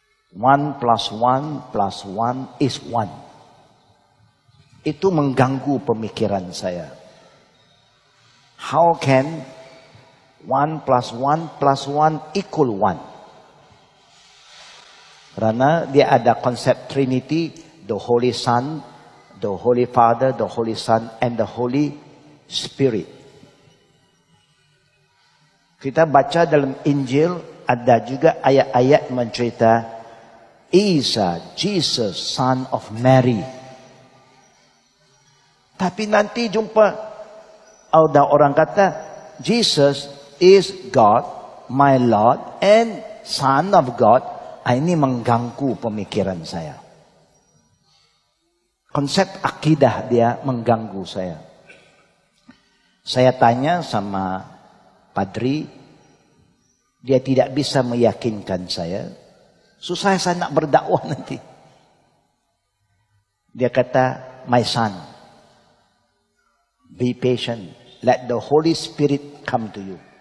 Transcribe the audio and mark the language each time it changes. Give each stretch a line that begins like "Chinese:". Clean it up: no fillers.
English: One plus one plus one is one.
Malay: Itu mengganggu pemikiran saya.
English: How can one plus one plus one equal one?
Malay: Karena dia ada konsep
English: Trinity, the Holy Son, the Holy Father, the Holy Son, and the Holy Spirit.
Malay: Kita baca dalam Injil, ada juga ayat-ayat mencerita Isa, Jesus, Son of Mary. Tapi nanti jumpa, ada orang kata,
English: Jesus is God, my Lord, and Son of God.
Malay: Ini mengganggu pemikiran saya. Konsep akidah dia mengganggu saya. Saya tanya sama padri, dia tidak bisa meyakinkan saya, susah saya nak berdakwah nanti. Dia kata,
English: my son, be patient, let the Holy Spirit come to you.